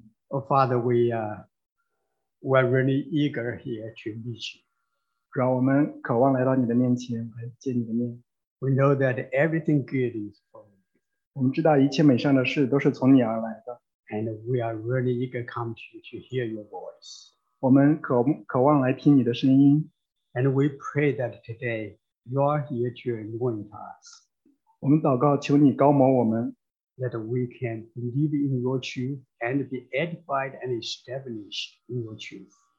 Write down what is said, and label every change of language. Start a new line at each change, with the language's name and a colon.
English: Oh, Father, we're really eager here to meet you.
Chinese: 主啊,我们渴望来到你的面前,来见你的面.
English: We know that everything good is from you.
Chinese: 我们知道一切美善的事都是从你而来的.
English: And we are really eager to come to you to hear your voice.
Chinese: 我们渴望来听你的声音.
English: And we pray that today you are here to anoint us.
Chinese: 我们祷告求你高摩我们,
English: that we can believe in your truth and be edified and established in your truth.